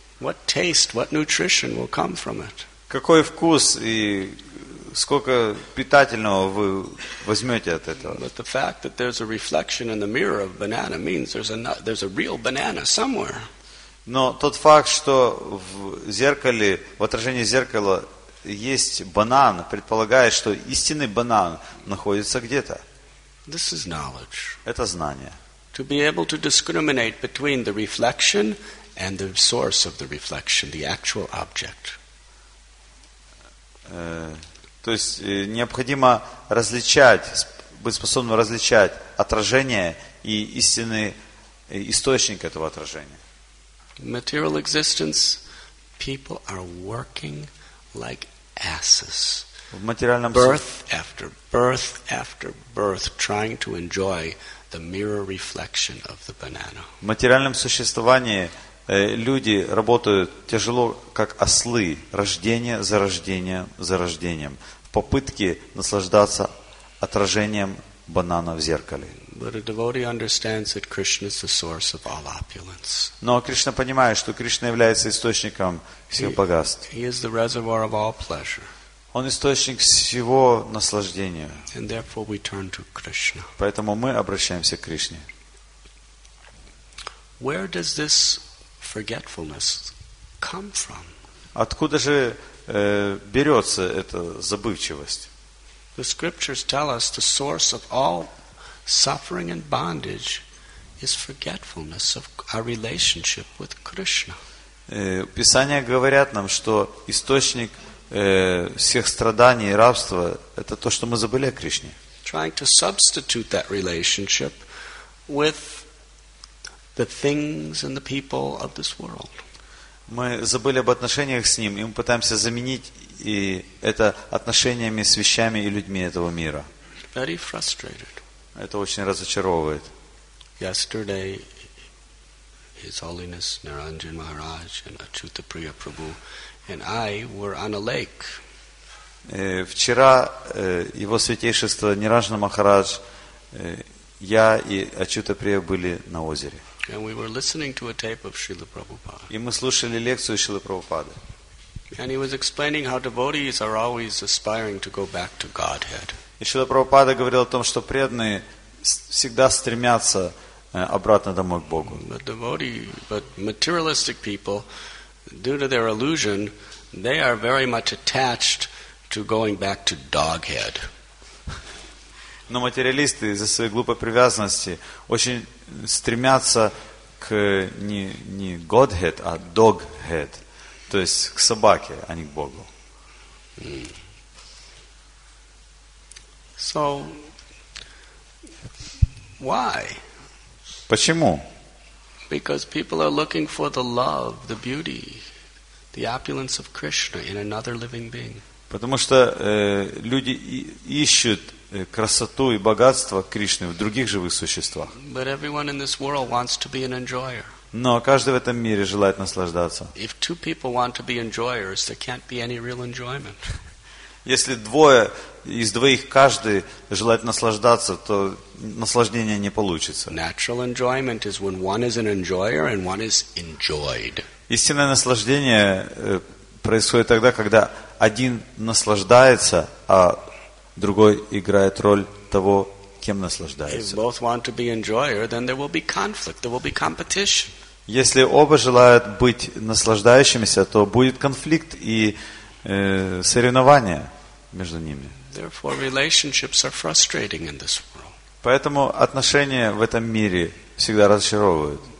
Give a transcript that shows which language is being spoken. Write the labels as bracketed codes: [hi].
[en] What taste, what nutrition will come from it? [ru] Какой вкус и сколько питательного вы возьмете от этого? [en] But the fact that there's a reflection in the mirror of banana means there's a real banana somewhere. [ru] Но тот факт, что в зеркале, в отражении зеркала есть банан, предполагает, что истинный банан находится где-то. [en] This is knowledge. [ru] Это знание. [en] To be able to discriminate between the reflection and the source of the reflection, the actual object. [ru] То есть необходимо различать, быть способным различать отражение и истинный источник этого отражения. [en] Material existence, people are working like asses. [ru] В материальном [en] birth after birth after birth, trying to enjoy the mirror reflection of the banana. [ru] В материальном существовании люди работают тяжело, как ослы, рождение за рождением за рождением, в попытке наслаждаться отражением банана в зеркале. [en] But a devotee understands that Krishna is the source of all opulence. [ru] Но Кришна понимает, что Кришна является источником всех богатств. [en] He is the reservoir of all pleasure. [ru] Он источник всего наслаждения. [en] And therefore we turn to Krishna. [ru] Поэтому мы обращаемся к Кришне. [en] Where does this forgetfulness come from? [ru] Откуда же берется эта забывчивость? [en] The scriptures tell us the source of all suffering and bondage is forgetfulness of our relationship with Krishna. [ru] Писания говорят нам, что источник всех страданий и рабства – это то, что мы забыли о Кришне. [en] Trying to substitute that relationship with the things and the people of this world. [ru] Мы забыли об отношениях с Ним, и мы пытаемся заменить и это отношениями с вещами и людьми этого мира. [en] Very frustrated. [ru] Это очень разочаровывает. [en] Yesterday, His Holiness Niranjan Maharaj and Achyuta Priya Prabhu and I were on a lake. [ru] Вчера Его Святейшество Ниранджан Махарадж, я и Ачюта Прия были на озере. [en] And we were listening to a tape of Srila Prabhupada. [ru] И мы слушали лекцию Шрилы Прабхупады. [en] And he was explaining how devotees are always aspiring to go back to Godhead. [ru] И Шрила Прабхупада говорил о том, что преданные всегда стремятся обратно домой к Богу. [en] But materialistic people, due to their illusion, they are very much attached to going back to Doghead. [ru] Но материалисты из-за своей глупой привязанности очень стремятся к не [en] Godhead, [ru] а [en] Doghead, [ru] то есть к собаке, а не к Богу. [en] So why? [ru] Почему? [en] Because people are looking for the love, the beauty, the opulence of Krishna in another living being. [ru] Потому что люди ищут красоту и богатство Кришны в других живых существах. [en] But everyone in this world wants to be an enjoyer. [ru] Но каждый в этом мире желает наслаждаться. [en] If two people want to be enjoyers, there can't be any real enjoyment. [ru] Если двое из двоих каждый желает наслаждаться, то наслаждение не получится. [en] Natural enjoyment is when one is an enjoyer and one is enjoyed. [ru] Истинное наслаждение происходит тогда, когда один наслаждается, а другой играет роль того, кем наслаждается. [en] If both want to be enjoyer, then there will be conflict, there will be competition. [ru] Если оба желают быть наслаждающимися, то будет конфликт и соревнования между ними. [en] Therefore, relationships are frustrating in this world. [ru] Поэтому отношения в этом мире всегда разочаровывают.